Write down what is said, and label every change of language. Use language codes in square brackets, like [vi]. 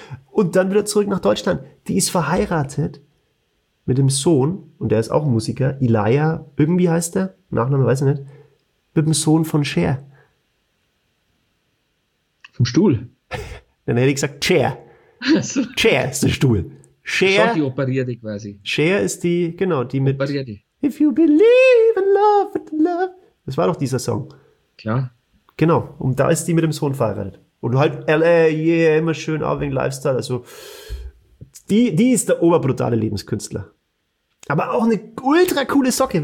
[de] Und dann wieder zurück nach Deutschland. Die ist verheiratet mit dem Sohn, und der ist auch Musiker, Elijah, irgendwie heißt der, Nachname weiß ich nicht, mit dem Sohn von Cher. Vom Stuhl? Dann hätte ich gesagt Cher. So. Cher ist der Stuhl. Cher, die operierte quasi. Cher ist die, genau, die mit operierte. [en] If you believe in love, in love. [de] Das war doch dieser Song. Klar. Genau, und da ist die mit dem Sohn verheiratet. Und halt L.A., yeah, immer schön, auch wegen Lifestyle, also Die ist der oberbrutale Lebenskünstler. Aber auch eine ultra coole Socke.